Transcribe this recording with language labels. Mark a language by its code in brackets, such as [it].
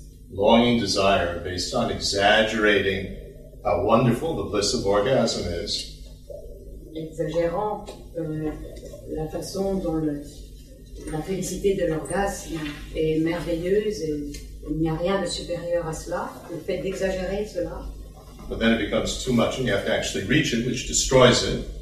[en] Longing desire based on exaggerating how wonderful the bliss of orgasm is. [fr] Exagérant la façon dont la félicité de l'orgasme est merveilleuse, et il n'y a rien de supérieur à cela, le fait d'exagérer cela. [en] but then it becomes too much and you have to actually reach it, which destroys it.